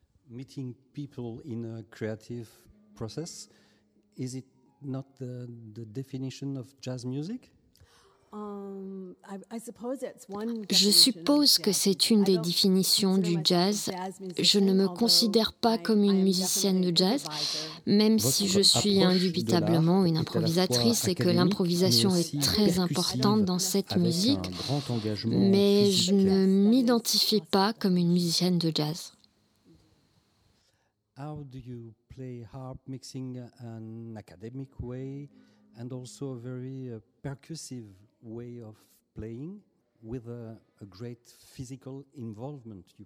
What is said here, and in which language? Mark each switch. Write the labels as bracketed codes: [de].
[en] Meeting people in a creative process, is it not the definition of jazz music? [fr] Je suppose que c'est une des définitions du jazz. Je ne me considère pas comme une musicienne de jazz, même si je suis indubitablement une improvisatrice et que l'improvisation est très importante dans cette musique, mais je ne m'identifie pas comme une musicienne de jazz. [en] How do you play harp mixing an academic way and also a very percussive way of playing with a great physical involvement?